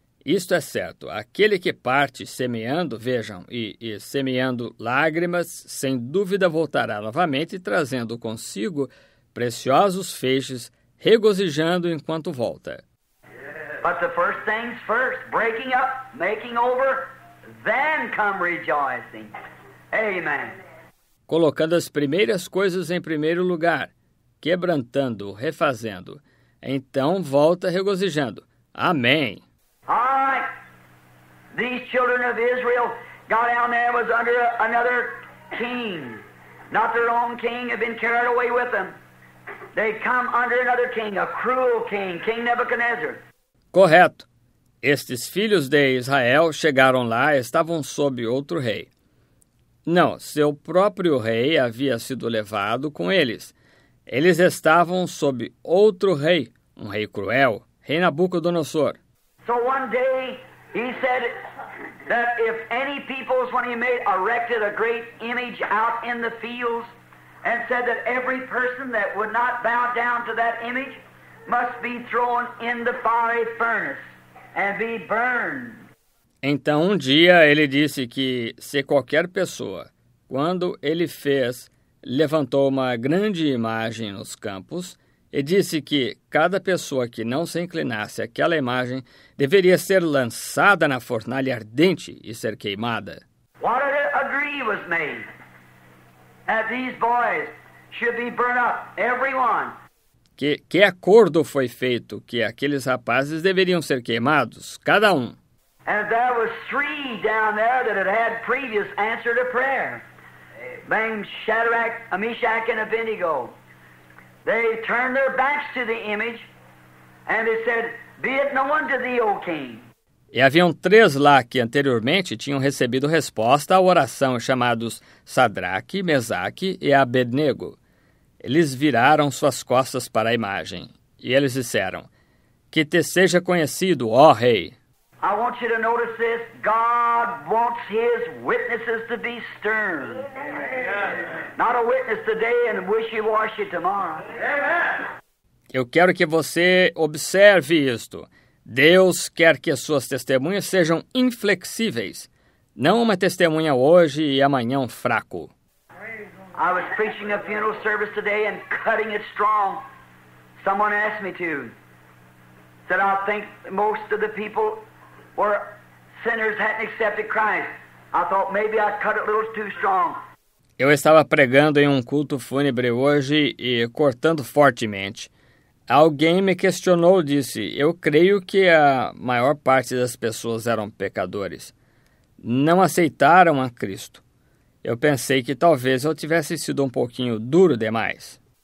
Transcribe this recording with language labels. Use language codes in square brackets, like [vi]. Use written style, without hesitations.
[pt] Isto é certo, aquele que parte semeando, vejam, e semeando lágrimas, sem dúvida voltará novamente, trazendo consigo preciosos feixes, regozijando enquanto volta. [en] But the first things first, breaking up, making over, then come rejoicing. Amen. [pt] Colocando as primeiras coisas em primeiro lugar, quebrantando, refazendo, então volta regozijando. Amém. [en] All right, these children of Israel got down there and was under another king. Not their own king had been carried away with them. They come under another king, a cruel king, King Nebuchadnezzar. [pt] Correto. Estes filhos de Israel chegaram lá e estavam sob outro rei. Não, seu próprio rei havia sido levado com eles. Eles estavam sob outro rei, um rei cruel, rei Nabucodonosor. [en] So one day he said that if any peoples, when he made, erected a great image out in the fields and said that every person that would not bow down to that image must be thrown in the fiery furnace and be burned. [pt] Então um dia ele disse que se qualquer pessoa, quando ele fez, levantou uma grande imagem nos campos, e disse que cada pessoa que não se inclinasse àquela imagem deveria ser lançada na fornalha ardente e ser queimada. [en] What an agreement was made that these boys should be burned up, everyone. [pt] Que acordo foi feito que aqueles rapazes deveriam ser queimados, cada um. [en] And there was three down there that had had previous answer to prayer. Named Shadrach, Meshach, and Abednego. They turned their backs to the image, and they said, be it known to thee, O king. [pt] E haviam três lá que anteriormente tinham recebido resposta à oração, chamados Sadraque, Mesaque e Abednego. Eles viraram suas costas para a imagem, e eles disseram, que te seja conhecido, ó rei. [en] I want you to notice this. God wants his witnesses to be stern. Amen. Not a witness today and wishy-washy tomorrow. Amen. [pt] Eu quero que você observe isto. Deus quer que as suas testemunhas sejam inflexíveis. Não uma testemunha hoje e amanhã um fraco. [en] I was preaching a funeral service today and cutting it strong. Someone asked me to. Said I think most of the people where sinners hadn't accepted Christ. I thought maybe I cut it a little too strong. [pt] Eu estava pregando em um culto fúnebre hoje e cortando fortemente. Alguém me questionou, disse, eu creio que a maior parte das pessoas eram pecadores. não aceitaram a Cristo. Eu pensei que talvez eu tivesse sido um pouquinho duro demais.